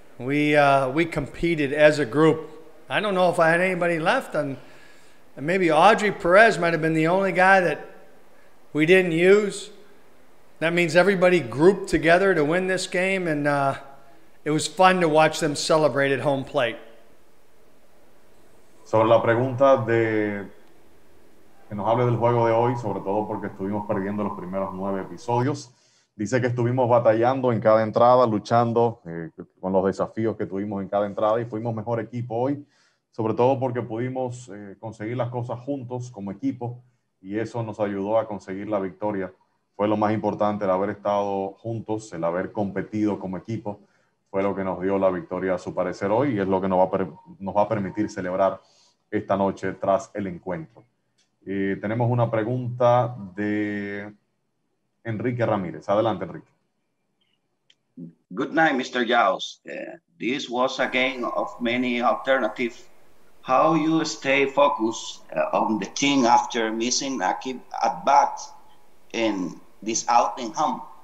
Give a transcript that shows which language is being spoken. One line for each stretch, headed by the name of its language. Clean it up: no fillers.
English: We competed as a group. I don't know if I had anybody left, and maybe Audrey Perez might have been the only guy that we didn't use. That means everybody grouped together to win this game, and it was fun to watch them celebrate at home plate.
Spanish: Sobre la pregunta de que nos hable del juego de hoy, sobre todo porque estuvimos perdiendo los primeros 9 episodios, dice que estuvimos batallando en cada entrada, luchando con los desafíos que tuvimos en cada entrada y fuimos mejor equipo hoy, sobre todo porque pudimos conseguir las cosas juntos como equipo y eso nos ayudó a conseguir la victoria. Fue lo más importante, el haber estado juntos, el haber competido como equipo, fue lo que nos dio la victoria a su parecer hoy y es lo que nos va a permitir celebrar esta noche tras el encuentro. Tenemos una pregunta de Enrique Ramírez. Adelante, Enrique.
English: Good night, Mr. Jones. This was a game of many alternatives. How you stay focused on the team after missing a key at bat in this outing home?